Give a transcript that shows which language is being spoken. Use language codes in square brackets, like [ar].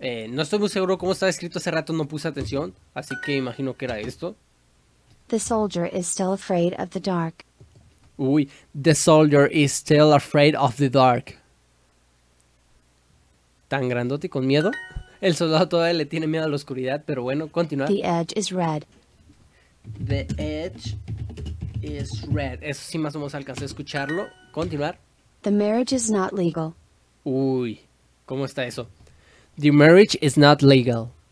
[es] No estoy muy seguro cómo estaba escrito, hace rato no puse atención, así que imagino que era esto. [en] The soldier is still afraid of the dark. Uy, the soldier is still afraid of the dark. [es] Tan grandote con miedo. El soldado todavía le tiene miedo a la oscuridad, pero bueno, continúa. [en] The edge is red. The edge is red. [es] Eso sí más o menos alcancé a escucharlo. Continuar. [en] The marriage is not legal. Uy, [es] ¿cómo está eso? [en] The marriage is not legal.